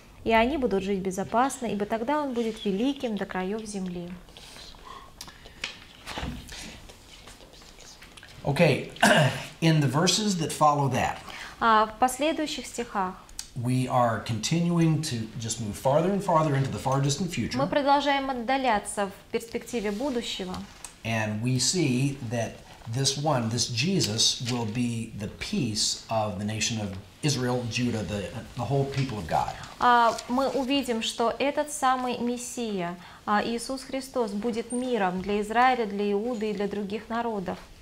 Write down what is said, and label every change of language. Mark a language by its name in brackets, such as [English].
[Russian] И они будут жить безопасно, ибо тогда он будет великим до краев земли. [English] Okay, in the verses that follow that, [Russian] в последующих стихах, [English] we are continuing to just move farther and farther into the far distant future. [Russian] Мы продолжаем отдаляться в перспективе будущего. [English] And we see that this one, this Jesus, will be the peace of the nation of Israel, Judah, the whole people of God. [Russian] Мы увидим, что этот самый Мессия, Иисус Христос, будет миром для Израиля, для Иуды и для других народов.